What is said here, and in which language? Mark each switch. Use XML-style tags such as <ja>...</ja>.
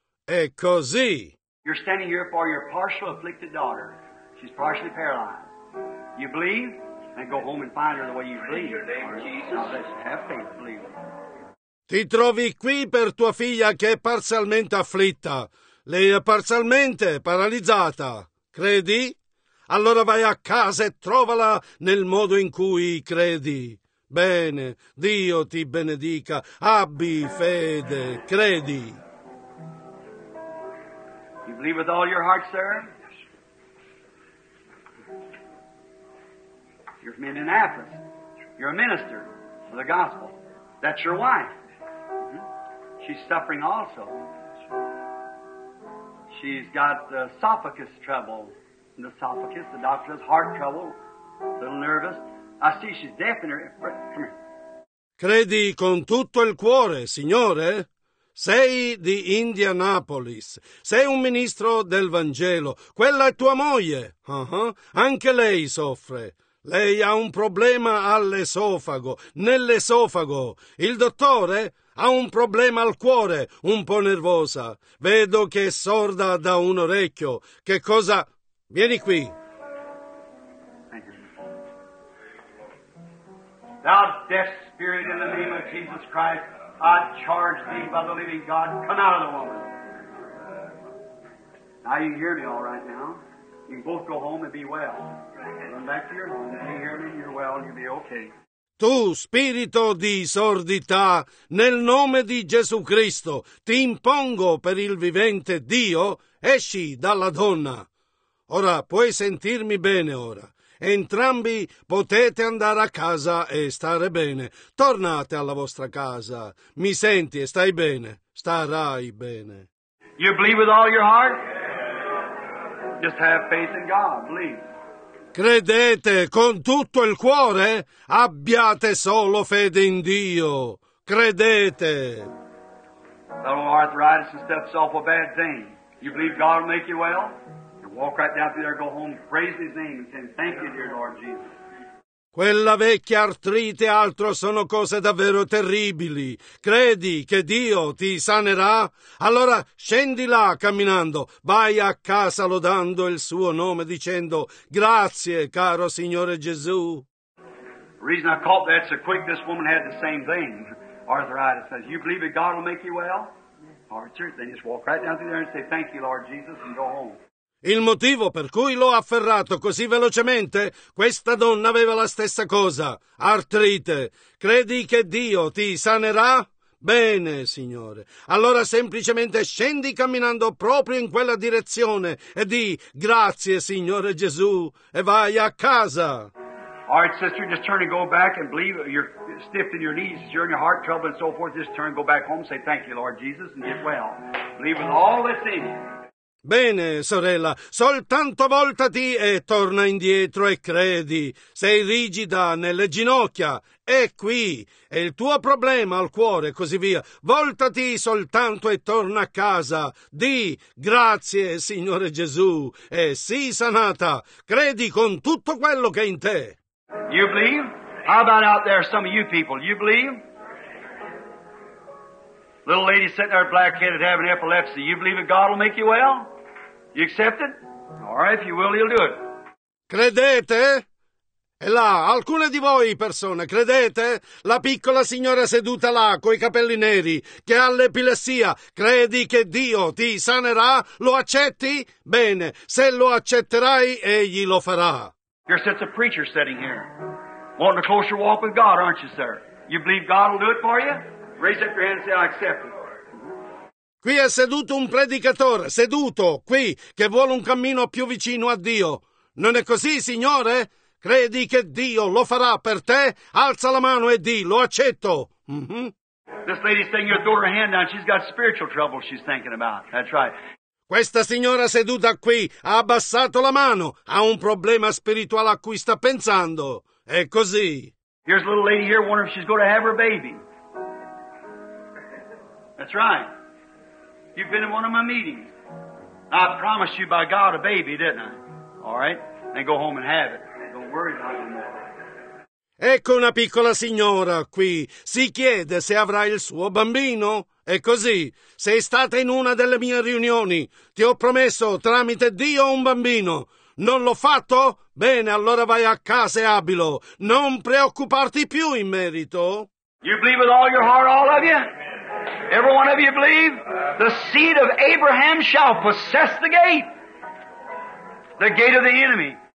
<it>È così.</it> <en>You're standing here for your partial afflicted daughter. She's partially paralyzed. You believe? And go home and find her the way you believe. Your name, Jesus. Have faith, believe.</en> <it>Ti trovi qui per tua figlia che è parzialmente afflitta. Lei è parzialmente paralizzata. Credi? Allora vai a casa e trovala nel modo in cui credi. Bene, Dio ti benedica. Abbi fede, credi.</it> <en>You believe with all your heart, sir? You're from Indianapolis. You're a minister of the gospel. That's your wife. She's suffering also. She's got esophagus trouble. In the esophagus, the doctor has heart trouble. A little nervous. I see she's deaf in her. Come here.</en> <it>Credi con tutto il cuore, signore? Sei di Indianapolis. Sei un ministro del Vangelo. Quella è tua moglie. Anche lei soffre. Lei ha un problema all'esofago, nell'esofago. Il dottore ha un problema al cuore, un po' nervosa. Vedo che è sorda da un orecchio. Che cosa? Vieni qui.</it> <en>Thou deaf spirit, spirit, in the name of Jesus Christ, I charge thee by the living God, come out of the woman. Now you hear me all right now. You can both go home and be well. Run back to your home. You hear me, you're well, and you'll be okay.</en> <it>Tu, spirito di sordità, nel nome di Gesù Cristo, ti impongo per il vivente Dio, esci dalla donna. Ora, puoi sentirmi bene ora. Entrambi potete andare a casa e stare bene. Tornate alla vostra casa. Mi senti e stai bene. Starai bene.</it> <en>You believe with all your heart? Just have faith in God, believe.</en> <it>Credete con tutto il cuore? Abbiate solo fede in Dio. Credete.</it> <en>Little arthritis and stuff is awful bad thing. You believe God will make you well? You walk right down through there, go home, praise His name, and say, thank you, dear Lord Jesus.</en> <it>Quella vecchia artrite e altro sono cose davvero terribili. Credi che Dio ti sanerà? Allora scendi là camminando, vai a casa lodando il suo nome, dicendo grazie, caro Signore Gesù.</it> <en>The reason I caught that so quick, this woman had the same thing. Arthritis says, you believe that God will make you well? Arthur, then just walk right down through there and say, thank you, Lord Jesus, and go home.</en> <it>Il motivo per cui l'ho afferrato così velocemente? Questa donna aveva la stessa cosa, artrite. Credi che Dio ti sanerà? Bene, Signore. Allora semplicemente scendi camminando proprio in quella direzione e di grazie, Signore Gesù, e vai a casa.</it> <en>All right, sister, just turn and go back and believe you're stiff in your knees, you're in your heart trouble and so forth. Just turn and go back home and say thank you, Lord Jesus, and get well. Believe with all that's in you.</en> <it>Bene, sorella, soltanto voltati e torna indietro e credi. Sei rigida nelle ginocchia, è qui, è il tuo problema al cuore e così via. Voltati soltanto e torna a casa. Di grazie, Signore Gesù, e sii sanata. Credi con tutto quello che è in te.</it> <en>You believe? How about out there, some of you people? You believe? Little lady sitting there black-headed having epilepsy. You believe that God will make you well? You accept it? All right, if you will, he'll do it.</en> <it>Credete? E là, alcune di voi persone, credete? La piccola signora seduta là, coi capelli neri, che ha l'epilessia, credi che Dio ti sanerà? Lo accetti? Bene, se lo accetterai, egli lo farà.</it> <en>You're such a preacher sitting here, wanting a closer walk with God, aren't you, sir? You believe God will do it for you? Raise up your hand and say, I accept it.</en> <it>Qui è seduto un predicatore, seduto qui, che vuole un cammino più vicino a Dio. Non è così, Signore? Credi che Dio lo farà per te? Alza la mano e di, lo accetto.</it> <en>This lady's saying you throw her hand down, she's got spiritual trouble she's thinking about. That's right.</en> <it>Questa signora seduta qui ha abbassato la mano, ha un problema spirituale a cui sta pensando. È così.</it> <en>Here's a little lady here wondering if she's going to have her baby. That's right. You've been in one of my meetings. I promised you by God a baby, didn't I? All right? Then go home and have it. Don't worry about it anymore.</en> <it>Ecco una piccola signora qui. Si chiede se avrà il suo bambino. È così. Sei stata in una delle mie riunioni. Ti ho promesso tramite Dio un bambino. Non l'ho fatto? Bene, allora vai a casa e abilo. Non preoccuparti più in merito.</it> <en>You believe with all your heart, all of you? Every one of you believe? The seed of Abraham shall possess the gate of the enemy.</en>